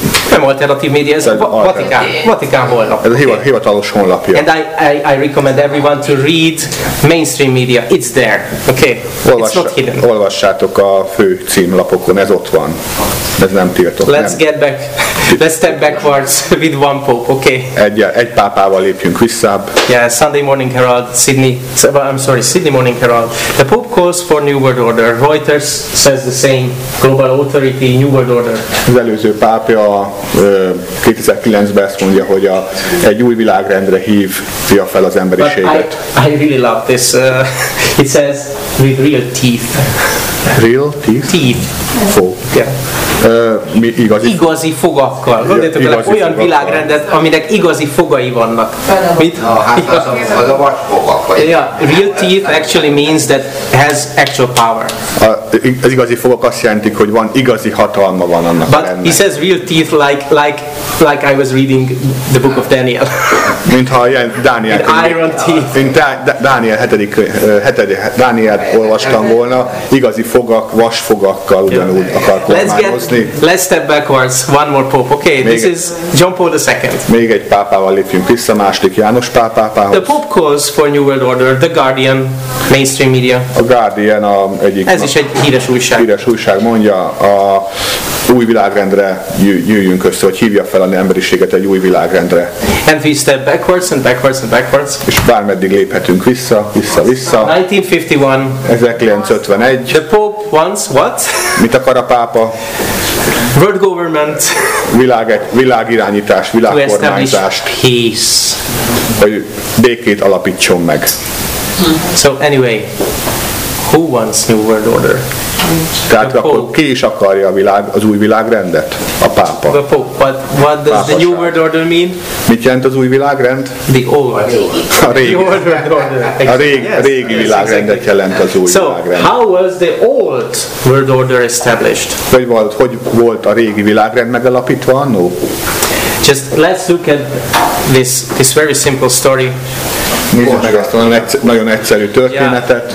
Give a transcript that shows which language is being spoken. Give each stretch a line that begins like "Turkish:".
Hungarian: nem
English: alternative media,
Hungarian: ez a Vatikán honlap. Ez a hivatalos honlapja.
English: And I recommend everyone to read mainstream media, it's there, okay? It's not hidden.
Hungarian: Olvassátok a fő címlapokon, ez ott van. ez nem tiltott.
English: Let's
Hungarian: nem.
English: Get back, let's step backwards with one pope, okay?
Hungarian: Egy pápával lépjünk visszább.
English: Yeah, Sunday Morning Herald, Sydney, I'm sorry, Sydney Morning Herald. The pope calls for New World Order. Reuters says the same. Global authority, New World Order.
Hungarian: Az előző pápja 2009-ben ezt mondja, hogy egy új világrendre hívja fel az emberiséget.
English: I really love this. It says with real teeth. Real teeth? Teeth.
Hungarian: Fog.
English: Yeah.
Hungarian: Mi igazi? Igazi fogakkal. Gondoljátok bele, olyan fogakkal. Világrendet, aminek igazi fogai vannak. Mit? Az a vas fogak.
English: Yeah. Real teeth actually means that has actual power.
Hungarian: Az igazi fogak azt jelentik, hogy van igazi hatalma van annak.
English: But he says real teeth like I was reading the book of Daniel.
Hungarian: Mintha ilyen Dániel
English: könyv. Iron teeth.
Hungarian: Mint Dániel hetedik Dániel olvastam volna, igazi fogak, vas fogakkal ugyanúgy akar kormányozni.
English: Let's step backwards, one more pope, okay, this is John Paul II.
Hungarian: Még egy pápával lépjünk vissza, második János pápához.
English: The pope calls for New World Order, The Guardian, mainstream media.
Hungarian: A Guardian a egyik. Ez is egy híres újság. Híres újság mondja, a új világrendre gyűjjünk össze, hogy hívja fel a emberiséget egy új világrendre.
English: And we step backwards and backwards and backwards.
Hungarian: És bármeddig léphetünk vissza, vissza, vissza.
English: 1951. The Pope wants what?
Hungarian: Mit akar a pápa?
English: World government.
Hungarian: Világirányítás, világkormányzást.
English: To establish peace.
Hungarian: Hogy békét alapítson meg.
English: So anyway, who wants new world order?
Hungarian: Tehát akkor ki is akarja az új világrendet? A pápa.
English: The Pope, but what does the new world order mean?
Hungarian: Mit jelent az új világrend?
English: The old world order.
Hungarian: A régi világrendet jelent az új világrend.
English: So, how was the old world order established?
Hungarian: Hogy volt a régi világrend megalapítva annó?
English: Just let's look at this very simple story.
Hungarian: Nézzük meg azt a nagyon egyszerű történetet.